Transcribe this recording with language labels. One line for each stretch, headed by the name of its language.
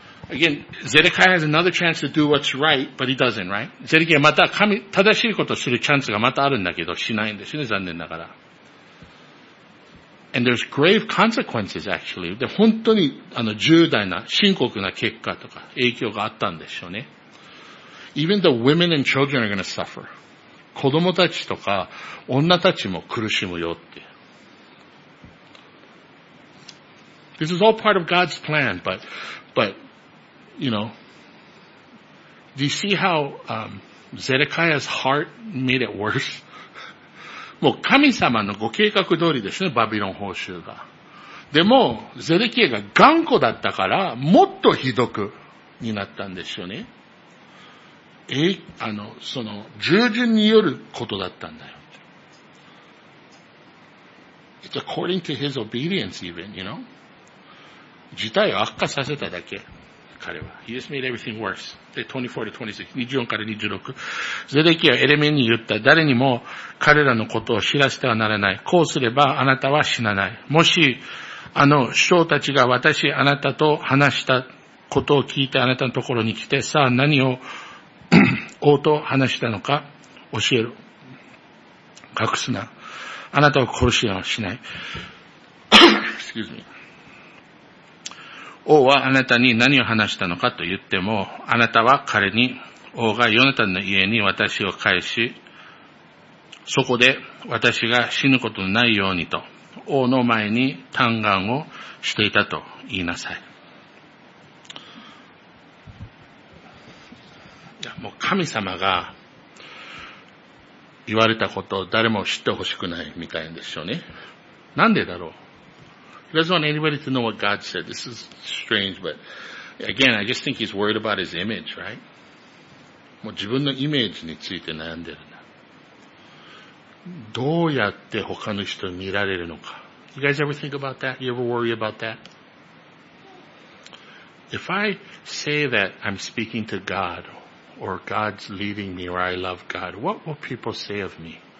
English: Again, Zedekiah has another chance to do what's right, but he doesn't, right?
Japanese: Zedekiah また神、正しいことをするチャンスがまたあるんだけど、しないんですよね、残念ながら。
English: And there's grave consequences, actually.
Japanese: で、本当に、重大な、深刻な結果とか、影響があったんでしょうね。
English: Even the women and children are going to suffer.
Japanese: 子供たちとか、女たちも苦しむよって。
English: This is all part of God's plan, but, you know, do you see how, Zedekiah's heart made it worse?
Japanese: もう神様のご計画通りですね、バビロン報酬が。でも、ゼレキエが頑固だったから、もっとひどくになったんですよね。従順によることだったんだよ。
English: It's according to his obedience even, you know?
Japanese: 事態を悪化させただけ、彼は。
English: He just made everything worse.
Japanese: で、24から26。ゼレキアはエレメンに言った。誰にも彼らのことを知らせてはならない。こうすればあなたは死なない。もし、首長たちが私、あなたと話したことを聞いてあなたのところに来て、さあ何を王と話したのか教える。隠すな。あなたを殺しはしない。
English: Excuse me.
Japanese: 王はあなたに何を話したのかと言っても、あなたは彼に、王がヨナタンの家に私を返し、そこで私が死ぬことのないようにと、王の前に嘆願をしていたと言いなさい。いや、もう神様が言われたことを誰も知ってほしくないみたいでしょうね。なんでだろう。
English: He doesn't want anybody to know what God said. This is strange, but again, I just think he's worried about his image, right?
Japanese: もう自分のイメージについて悩んでるな。どうやって他の人を見られるのか。
English: You guys ever think about that? You ever worry about that? If I say that I'm speaking to God, or God's leading me, or I love God, what will people say of me?